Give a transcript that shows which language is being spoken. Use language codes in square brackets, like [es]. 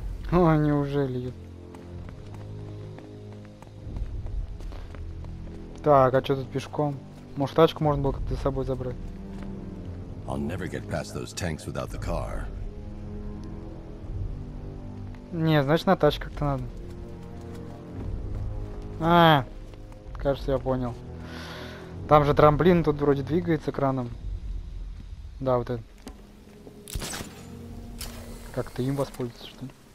[ru] О, неужели? Так, а что тут пешком? Может, тачку можно было как-то с собой забрать? [en] I'll never get past those tanks without the car. [ru] Не, значит, на тачке как-то надо. А, кажется, я понял. Там же трамплин, тут вроде двигается краном. Да, вот это. Как-то им воспользоваться, что ли?